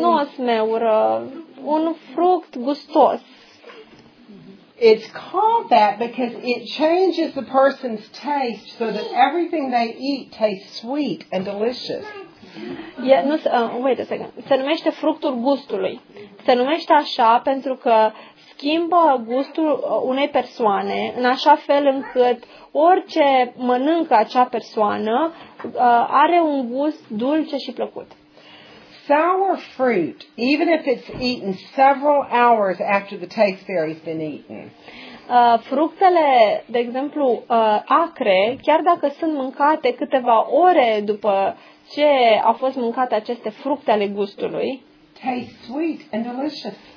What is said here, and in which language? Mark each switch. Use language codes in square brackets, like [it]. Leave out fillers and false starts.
[ro] Nu o smeură, un fruct gustos. [en] It's called that because it changes the person's taste so that everything they eat tastes sweet and delicious. Yeah, wait a second. [ro] Se numește fructul gustului. Se numește așa pentru că schimbă gustul unei persoane în așa fel încât orice mănâncă acea persoană are un gust dulce și plăcut. [en] Sour fruit, even if it's eaten several hours after the taste berry's been eaten. [ro] Fructele, de exemplu, acre, chiar dacă sunt mâncate câteva ore după ce au fost mâncate aceste fructe ale gustului, [en] taste sweet and delicious.